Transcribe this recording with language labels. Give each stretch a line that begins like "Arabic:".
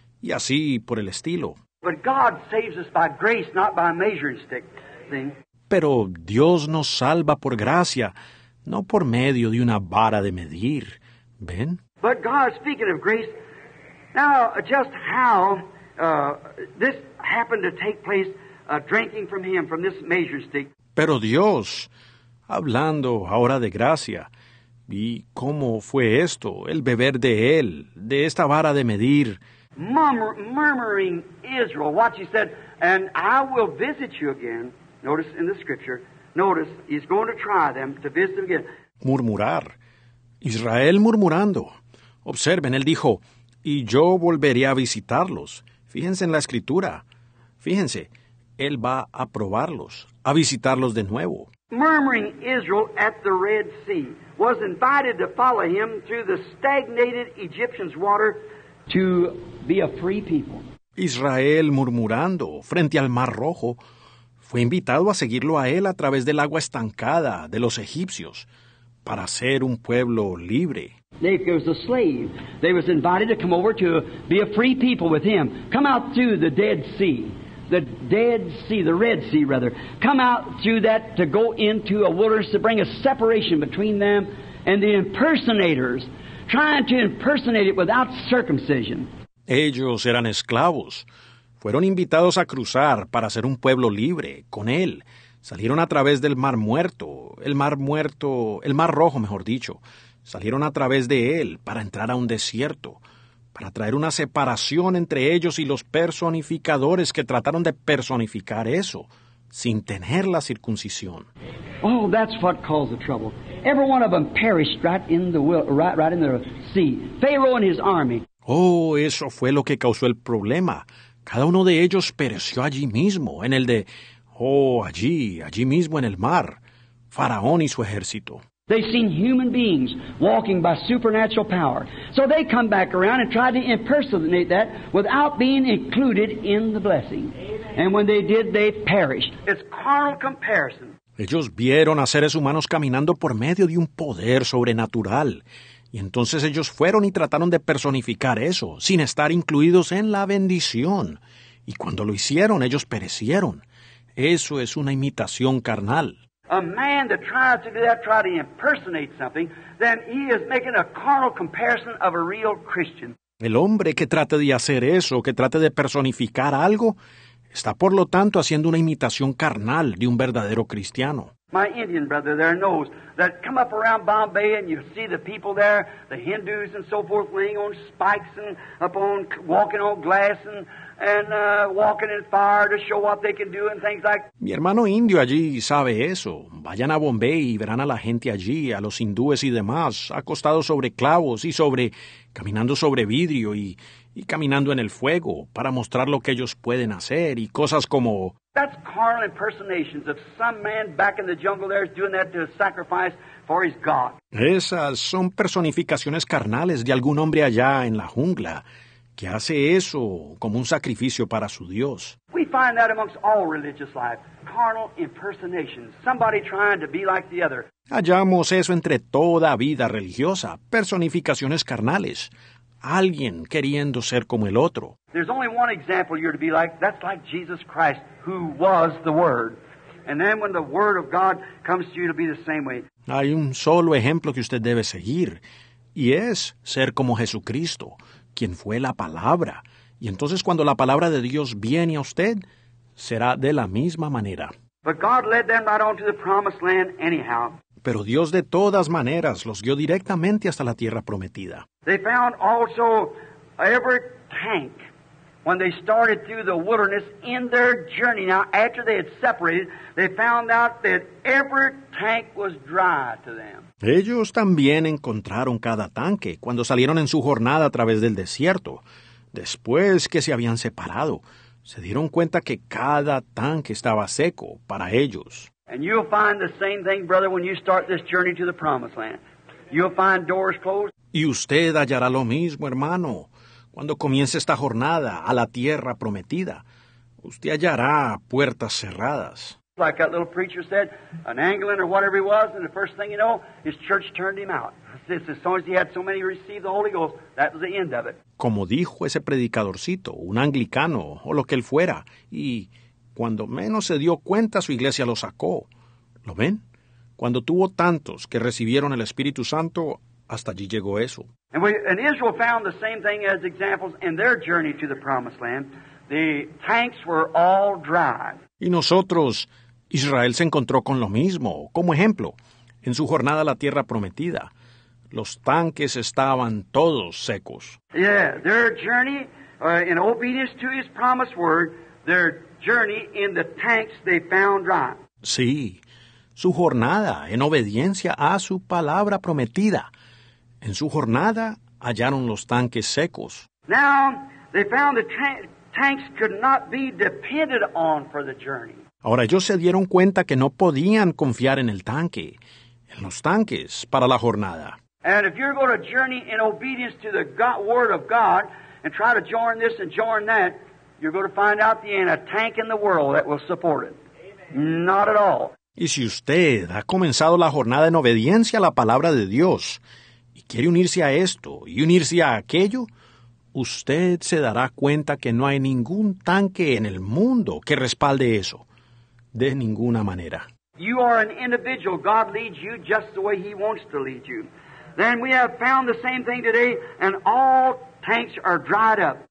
Spanish: Y así por el estilo.
English: But God saves us by grace, not by a measuring stick thing.
Spanish: Pero Dios nos salva por gracia. No por medio de una vara de medir, ¿ven?
English: But God, speaking of grace, now just how this happened to take place, drinking from him, from this measuring stick.
Spanish: Pero Dios, hablando ahora de gracia, ¿y cómo fue esto, el beber de él, de esta vara de medir?
English: Murmuring Israel, watch, he said, and I will visit you again, notice in the scripture, notice, he's going to try them to visit them again.
Spanish: Murmurar. Israel murmurando. Observen, él dijo, y yo volveré a visitarlos. Fíjense en la escritura. Fíjense, él va a probarlos, a visitarlos de nuevo.
English: Murmuring Israel at the Red Sea was invited to follow him through the stagnated Egyptians' water to be a free people.
Spanish: Israel murmurando frente al Mar Rojo. Fue invitado a seguirlo a él a través del agua estancada de los egipcios para ser un pueblo libre.
English: They was a slave. They was invited to come over to be a free people with him. Come out through the Dead Sea. The Red Sea, rather. Come out through that to go into a wilderness to bring a separation between them and the impersonators, trying to impersonate it without circumcision.
Spanish: Ellos eran esclavos. Fueron invitados a cruzar para ser un pueblo libre con él. Salieron a través del Mar Muerto, el Mar Rojo, mejor dicho. Salieron a través de él para entrar a un desierto, para traer una separación entre ellos y los personificadores que trataron de personificar eso sin tener la circuncisión.
English: Oh, that's what caused the trouble. Every one of them perished right in the sea. Pharaoh and his army.
Spanish: Oh, eso fue lo que causó el problema. Cada uno de ellos pereció allí mismo, en el de, oh, allí mismo en el mar, Faraón y su ejército.
English: They've seen human beings walking by supernatural power. So they come back around and try to impersonate that without being included in the blessing. Amen. And when they did, they perished. It's carnal comparison.
Spanish: Ellos vieron a seres humanos caminando por medio de un poder sobrenatural. Y entonces ellos fueron y trataron de personificar eso, sin estar incluidos en la bendición. Y cuando lo hicieron, ellos perecieron. Eso es una imitación carnal.
English: A man that tries to do that, try to impersonate something, then he is making a carnal comparison of a real Christian.
Spanish: El hombre que trate de hacer eso, que trate de personificar algo, está por lo tanto haciendo una imitación carnal de un verdadero cristiano.
English: My Indian brother there knows that come up around Bombay and you see the people there, the Hindus and so forth, laying on spikes and upon walking on glass and walking in fire to show what they can do and things like.
Spanish: Mi hermano indio allí sabe eso. Vayan a Bombay y verán a la gente allí, a los hindúes y demás, acostados sobre clavos y sobre caminando sobre vidrio y caminando en el fuego para mostrar lo que ellos pueden hacer y cosas como.
English: That's carnal impersonations of some man back in the jungle there doing that to sacrifice for his god.
Spanish: Esas son personificaciones carnales de algún hombre allá en la jungla que hace eso como un sacrificio para su dios.
English: We find that amongst all religious life, carnal impersonations, somebody trying to be like the other.
Spanish: Hallamos eso entre toda vida religiosa, personificaciones carnales. Alguien queriendo ser como el otro.
English: There's only one example you're to be like. That's like Jesus Christ, who was the Word. And then when the Word of God comes to you, it'll be the same way.
Spanish: Hay un solo ejemplo que usted debe seguir, y es ser como Jesucristo, quien fue la Palabra. Y entonces cuando la Palabra de Dios viene a usted, será de la misma manera.
English: But God led them right on to the promised land anyhow.
Spanish: Pero Dios de todas maneras los guió directamente hasta la tierra prometida.
English: They found also every tank when they started through the wilderness in their journey. Now, after they had separated, they found out that every tank was dry to them.
Spanish: Ellos también encontraron cada tanque cuando salieron en su jornada a través del desierto. Después que se habían separado, se dieron cuenta que cada tanque estaba seco para ellos.
English: And you'll find the same thing, brother, when you start this journey to the promised land. You'll find doors closed.
Spanish: Y usted hallará lo mismo, hermano, cuando comience esta jornada a la tierra prometida. Usted hallará puertas cerradas.
English: Like that little preacher said, an Anglican or whatever he was, and the first thing you know, his church turned him out. Since as soon as he had so many received the Holy Ghost, that was the end of it.
Spanish: Como dijo ese predicadorcito, un anglicano o lo que él fuera, y cuando menos se dio cuenta, su iglesia lo sacó. ¿Lo ven? Cuando tuvo tantos que recibieron el Espíritu Santo, hasta allí llegó eso.
English: And Israel found the same thing as examples in their journey to the promised land. The tanks were all dry.
Spanish: Y nosotros, Israel se encontró con lo mismo. Como ejemplo, en su jornada a la tierra prometida, los tanques estaban todos secos.
English: Yeah, their journey in obedience to his promised word, their journey in the tanks they found dry.
Spanish: Sí, su jornada en obediencia a su palabra prometida. En su jornada hallaron los tanques secos.
English: Now they found the tanks could not be depended on for the journey.
Spanish: Ahora ellos se dieron cuenta que no podían confiar en el tanque, en los tanques para la jornada.
English: And if you're going to journey in obedience to the God, word of God and try to join this and join that, you're going to find out the end, a tank in the world that will support it. Amen. Not at all.
Spanish: Y si usted ha comenzado la jornada en obediencia a la palabra de Dios y quiere unirse a esto y unirse a aquello, usted se dará cuenta que no hay ningún tanque en el mundo que respalde eso. De ninguna manera.
English: You are an individual. God leads you just the way he wants to lead you. Then we have found the same thing today, and all tanks are dried up.